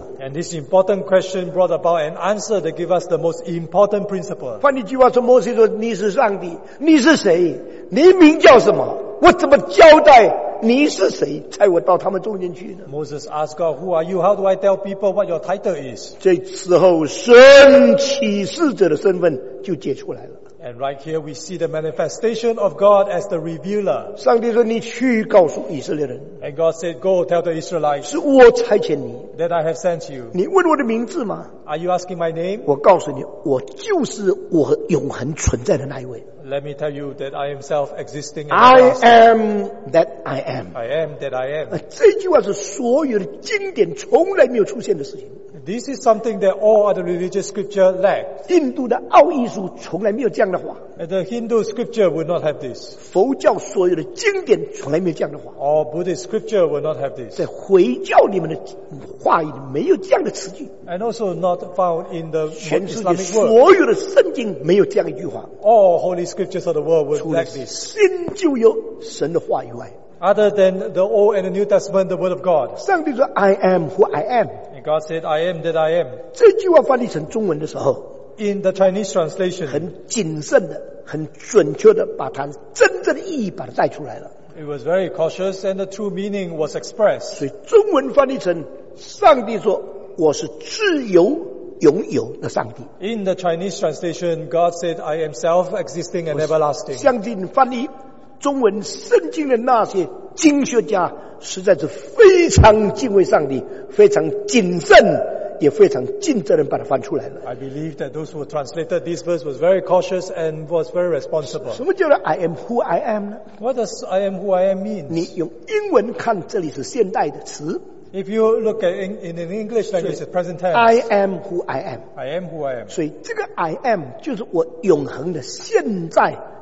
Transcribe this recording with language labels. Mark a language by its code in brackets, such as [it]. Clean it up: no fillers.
[en] And this important question brought about an answer that gave us the most important principle. [zh] 换句话说，摩西说：“你是上帝，你是谁？你名叫什么？我怎么交代你是谁，才我到他们中间去呢？” [en] Moses asked God, "Who are you? How do I tell people what your title is?" [zh] 这时候，神启示者的身份就解出来了。 [en] And right here we see the manifestation of God as the revealer. [zh] 上帝说你去告诉以色列人, [en] and God said, go tell the Israelites [zh] 是我差遣你, [en] that I have sent you. [zh] 你问我的名字吗? [en] Are you asking my name? [zh] 我告诉你我就是我永恒存在的那一位。 [en] Let me tell you that I am self-existing. I am that I am. I am that I am. [zh] 这句话是所有的经典从来没有出现的事情。 [en] This is something that all other religious scripture lack. [zh] 印度的奥义书从来没有这样的话。 [en] The Hindu scripture would not have this. [zh] 佛教所有的经典从来没有这样的话。 [en] All Buddhist scripture would not have this. [zh] 在回教里面的话语没有这样的词句。 [en] And also not found in the Islamic world. [zh] 全世界所有的圣经没有这样一句话。 [en] All holy scriptures of the world would lack this. [zh] 除了新旧有神的话以外。 [en] Other than the Old and the New Testament, the Word of God. [zh] 上帝说, [en] I am who I am. And God said, I am that I am. [zh] 这句话翻译成中文的时候, [en] in the Chinese translation, [zh] 很谨慎的, 很准确的把它真正的意义把它带出来了。 [en] It was very cautious and the true meaning was expressed. [zh] 所以中文翻译成, 上帝说, 我是自由永有的上帝。 [en] In the Chinese translation, God said, I am self-existing and everlasting. [zh] 相信翻译, 中文圣经的那些经学家实在是非常敬畏上帝，非常谨慎，也非常尽责任把它翻出来了。 [en] I believe that those who translated this verse was very cautious and was very responsible. [zh] 什么叫做 [en] I am who I am [zh] 呢？ [en] What does I am who I am mean? [zh] 你用英文看，这里是现代的词。 [en] If you look at in an English language, it's present tense. I am who I am. I am who I am. [zh] 所以这个 I am 就是我永恒的现在。